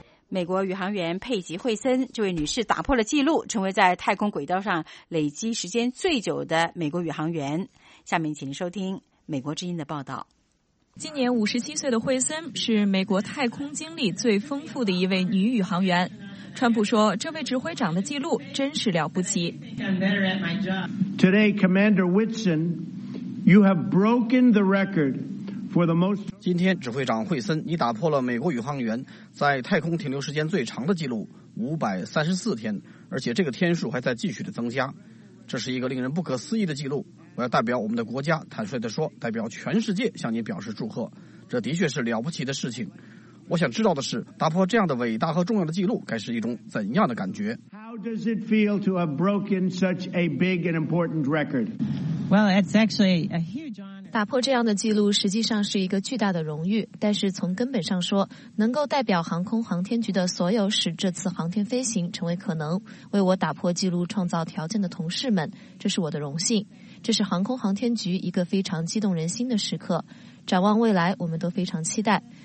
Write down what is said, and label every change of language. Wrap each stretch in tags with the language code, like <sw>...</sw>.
<zh>美国宇航员佩吉·惠森这位女士打破了记录，成为在太空轨道上累积时间最久的美国宇航员。下面请收听美国之音的报道。今年57岁的惠森是美国太空经历最丰富的一位女宇航员。川普说，这位指挥长的记录真是了不起。</zh> <en>Today, Commander Whitson, you have broken the record.</en> <zh>今天指挥长惠森，你打破了美国宇航员在太空停留时间最长的记录，534天，而且这个天数还在继续的增加，这是一个令人不可思议的记录。我要代表我们的国家坦率地说，代表全世界向你表示祝贺，这的确是了不起的事情。我想知道的是，打破这样的伟大和重要的记录该是一种怎样的感觉？</zh> <en>How does it feel to have broken such a big and important record? Well, it's actually a huge honor.</en> <zh>打破这样的记录实际上是一个巨大的荣誉，但是从根本上说，能够代表航空航天局的所有使这次航天飞行成为可能，为我打破记录创造条件的同事们，这是我的荣幸。这是航空航天局一个非常激动人心的时刻，展望未来，我们都非常期待。</zh>